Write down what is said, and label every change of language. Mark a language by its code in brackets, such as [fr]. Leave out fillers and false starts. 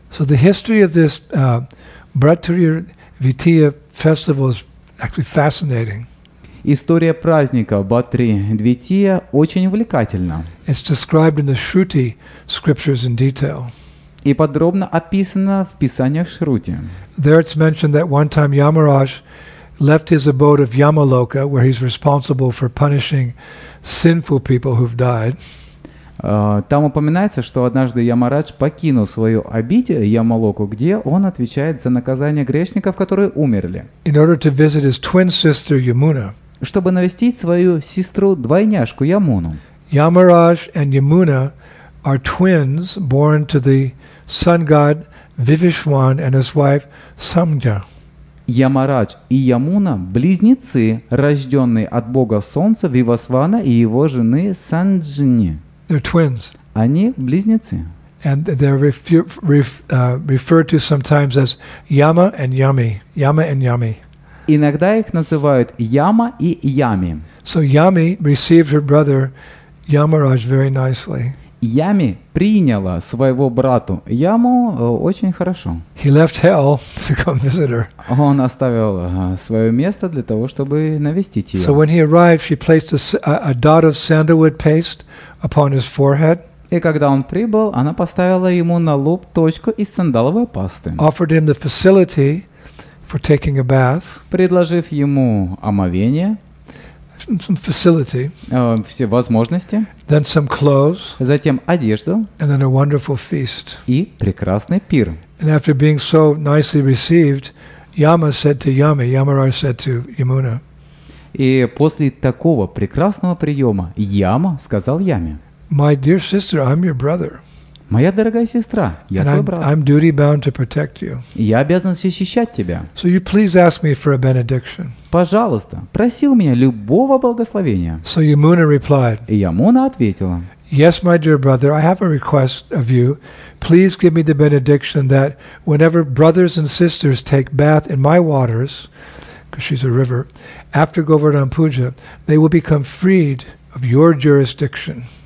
[en] So the history of this Bratri Vitiya festival is actually fascinating. [ru] История праздника Bratri Vitiya очень увлекательна. [en] It's described in the Shruti scriptures in detail. [ru] И подробно описано в писаниях Шрути. [en] There it's mentioned that one time Yamaraj left his abode of Yamaloka, where he's responsible for punishing sinful people who've died. [ru] Там упоминается, что однажды Ямарадж покинул свою обитель Ямалоку, где он отвечает за наказание грешников, которые умерли. [en] In order to visit his twin sister Yamuna. [ru] Чтобы навестить свою сестру-двойняшку Ямуну. [en] Yamaraj and Yamuna are twins born to the sun god Vivishwan and his wife Samja. [ru] Ямарадж и Ямуна – близнецы, рожденные от бога солнца Вивасвана и его жены Санджни. [en] They're twins. [ru] Они – близнецы. [en] And they're referred to sometimes as Yama and Yami. Yama and Yami. [ru] Иногда их называют Яма и Ями. [en] So Yami received her brother Yamaraj very nicely. [ru] Ями приняла своего брата Яму очень хорошо. [en] He left hell to come visit her. [ru] Он оставил свое место для того, чтобы навестить ее. [en] So when he arrived, she placed a dot of sandalwood paste upon his forehead. [ru] И когда он прибыл, она поставила ему на лоб точку из сандаловой пасты. [en] Offered him the facility for taking a bath. [ru] Предложив ему омовение. [en] Some facility. [ru] Все возможности. [en] Then some clothes. [ru] Затем одежду. [en] And then a wonderful feast. [ru] И прекрасный пир. [en] And after being so nicely received, Yama said to Yami, Yamaraj said to Yamuna. [ru] И после такого прекрасного приема Яма сказал Яме. [en] My dear sister, I'm your brother. [ru] Моя дорогая сестра, я [en] and [ru] твой брат. [en] I'm duty bound to protect you. [ru] Я обязан защищать тебя. [en] So you please ask me for a benediction. [ru] Пожалуйста, проси у меня любого благословения. [en] So Yamuna replied. [ru] И Ямуна ответила. [en] Yes, my dear brother, I have a request of you. Please give me the benediction that whenever brothers and sisters take bath in my waters, because she's a river, after Govardhan Puja, they will become freed of your jurisdiction.